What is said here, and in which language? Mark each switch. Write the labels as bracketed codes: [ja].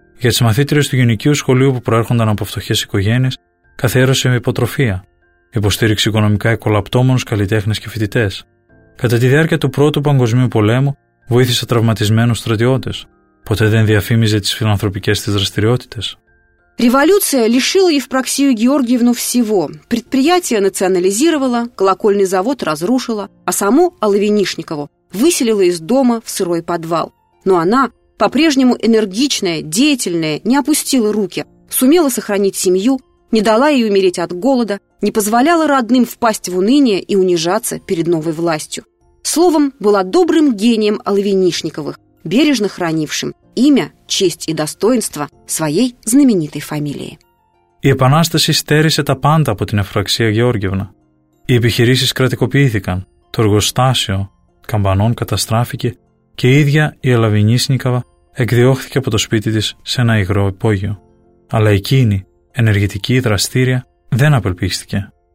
[el] Για τις μαθήτριες του γενικού σχολείου που προέρχονταν από φτωχές οικογένειες, καθιέρωσε υποτροφία. Υποστήριξε οικονομικά εκολαπτώμενους καλλιτέχνες και φοιτητές. Κατά τη διάρκεια του Πρώτου Παγκοσμίου Πολέμου, βοήθησε τραυματισμένους στρατιώτες. Ποτέ δεν διαφήμιζε τις φιλανθρωπικές της δραστηριότητες. [ru] Революция лишила Евпраксию Георгиевну всего. Предприятие национализировала, колокольный завод разрушила, а саму Алавинишникову выселила из дома в сырой подвал. Но она, по-прежнему энергичная, деятельная, не опустила руки, сумела сохранить семью, не дала ей умереть от голода, не позволяла родным впасть в уныние и унижаться перед новой властью. Словом, была добрым гением Алавинишниковых, бережно хранившим имя, честь и достоинство своей знаменитой фамилии. [el] Η Επανάσταση στέρισε τα πάντα από την Ευπραξία Γεώργιευνα. Οι επιχειρήσεις κρατικοποιήθηκαν, το εργοστάσιο καμπανών καταστράφηκε και η ίδια η Αλαβινίσνικαβα εκδιώχθηκε από το σπίτι της σε ένα υγρό υπόγειο. Αλλά εκείνη, ενεργητική δραστήρια, δεν απελπίστηκε.